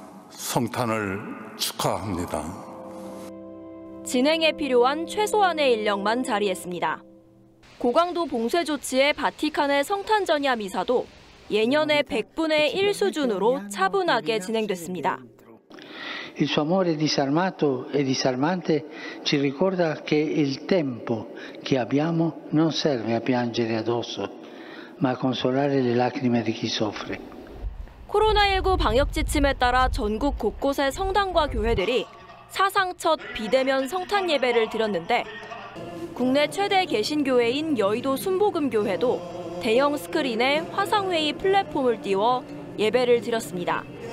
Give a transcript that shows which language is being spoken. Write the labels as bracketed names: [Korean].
[Korean] 성탄을 축하합니다. 진행에 필요한 최소한의 인력만 자리했습니다. 고강도 봉쇄 조치의 바티칸의 성탄 전야 미사도 예년의 100분의 1 수준으로 차분하게 진행됐습니다. [Italian] Il suo amore disarmato e disarmante ci ricorda che il tempo che abbiamo non serve a piangere addosso, ma a consolare le lacrime di chi soffre. [Korean] 코로나19 방역 지침에 따라 전국 곳곳의 성당과 교회들이 사상 첫 비대면 성탄 예배를 드렸는데 국내 최대 개신교회인 여의도 순복음교회도 대형 스크린에 화상 회의 플랫폼을 띄워 예배를 드렸습니다.